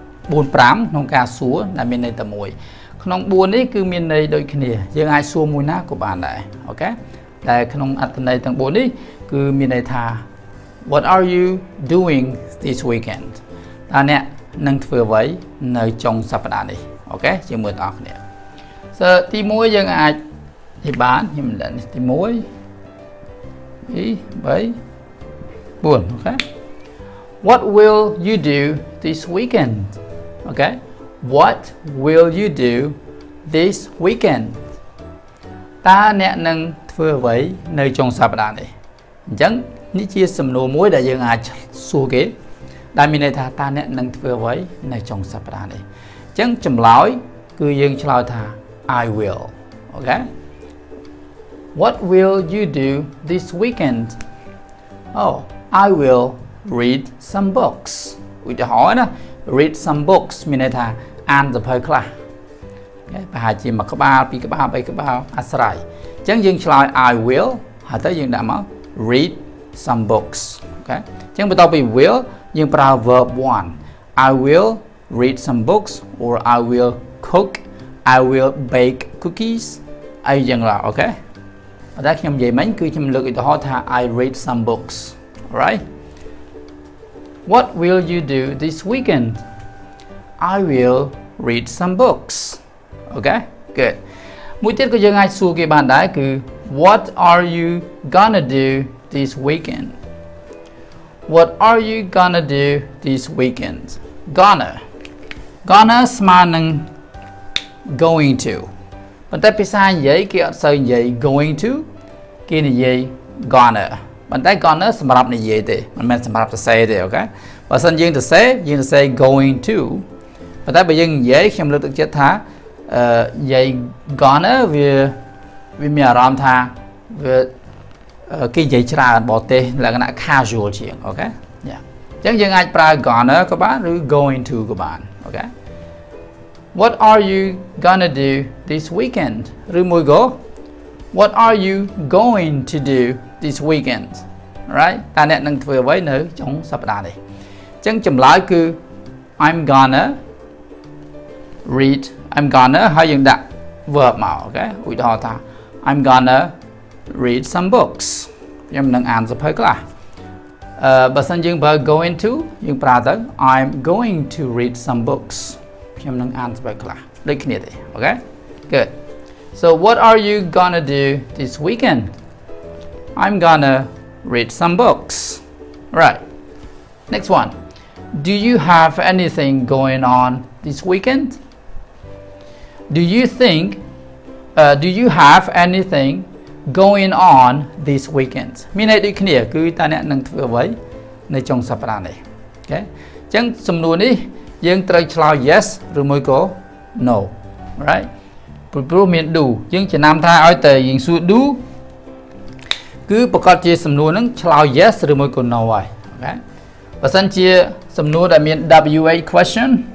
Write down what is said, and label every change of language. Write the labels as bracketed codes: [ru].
[km] 4 5ក្នុងការសួរដែលមានន័យតែមួយក្នុង4នេះគឺមានន័យដូចគ្នាយើងអាចសួរមួយណាក៏បានដែរអូខេតែក្នុងអត្ថន័យទាំង4នេះគឺមានន័យថា [en] What are you doing this weekend? [km] តើអ្នកនឹងធ្វើអ្វីនៅចុងសប្តាហ៍នេះអូខេជាមួយបងប្អូនសើទី1យើងអាចនិយាយបានខ្ញុំមិនដឹងទី1 2 3 4 okay. [en] What will you do this weekend? Okay. What will you do this weekend? [km] តើអ្នកនឹងធ្វើអ្វីនៅចុងសប្តាហ៍នេះ អញ្ចឹងនេះជាសំណួរមួយដែលយើងអាចសួរគេ ដែលមានន័យថាតើអ្នកនឹងធ្វើអ្វីនៅចុងសប្តាហ៍នេះ អញ្ចឹងចម្លើយគឺយើងឆ្លើយថា [en] I will. Okay. What will you do this weekend? Oh. I will read some books. [km] ឧទាហរណ៍ [en] read some books [km] មានន័យថាអានសៀវភៅខ្លះប្រហែលជាមួយក្បាលពីរក្បាលបីក្បាលអាស្រ័យអញ្ចឹងយើងឆ្លើយ I will ហើយទៅយើងដាក់មក read some books okay អញ្ចឹងបន្តពី will យើងប្រើ verb 1 [en] I will read some books or I will cook I will bake cookies [km] អីយ៉ាងឡា okay តែខ្ញុំនិយាយមិញគឺខ្ញុំលើកឧទាហរណ៍ថា [en] I read some booksRight. What will you do this weekend? I will read some books. Okay, good. [km] មួយទៀតក៏យើងអាចសួរគេបានដែរគឺ [en] What are you gonna do this weekend? What are you gonna do this weekend? Gonna. [km] Gonna ស្មើនឹង [en] going to. [km] ប៉ុន្តែភាសាញ៉ៃគេអត់សូវញ៉ៃ going to. គេនិយាយ gonna. បន្តែ gonna សម្រាប់និយាយទេមិនមែនសម្រាប់សរសេរទេអូខេបើសិនយើងសរសេរយើងសរសេរ [en] going to [km] បន្តែបើយើងនិយាយខ្ញុំលើកទឹកចិត្តថានិយាយ gonna វាមានអារម្មណ៍ថាវា គេនិយាយច្រើនបរទេសលក្ខណៈ casual ជាងអូខេយ៉ាអញ្ចឹងយើងអាចប្រើ gonna ក៏បានឬ going to ក៏បានអូខេ [en] What are you gonna do this weekend ឬមួយក៏ What are you going to doThis weekend, right? [km] តើអ្នកនឹងធ្វើអ្វីនៅចុងសប្តាហ៍នេះ អញ្ចឹងចម្លើយគឺ [en] I'm gonna read. I'm gonna [km] ហើយយើងដាក់ verb មក okay? ឧទាហរណ៍ថា [en] I'm gonna read some books. [km] ខ្ញុំនឹងអានសៀវភៅខ្លះ បើសិនយើងប្រើ going to យើងប្រើទៅ [en] I'm going to read some books. [km] ខ្ញុំនឹងអានសៀវភៅខ្លះដូចគ្នាទេ okay? [en] Good. So what are you gonna do this weekend? I'm gonna read some books. Right. Next one. Do you have anything going on this weekend? Do you have anything going on this weekend? [km] មានន័យដូចគ្នាគឺតើអ្នកនឹងធ្វើអ្វីនៅចុងសប្តាហ៍នេះ Okay. អញ្ចឹងសំណួរនេះយើងត្រូវឆ្លើយ yes ឬមួយក៏ no. [en] Right. [km] ព្រោះមាន do. យើងចំណាំថាឲ្យតើយើងសួរ doគឺប្រកាសជាសំណួរនឹងឆ្លើយ yes ឬមួយក៏ no ហើយអូខេបើសិនជាសំណួរដែលមាន wa question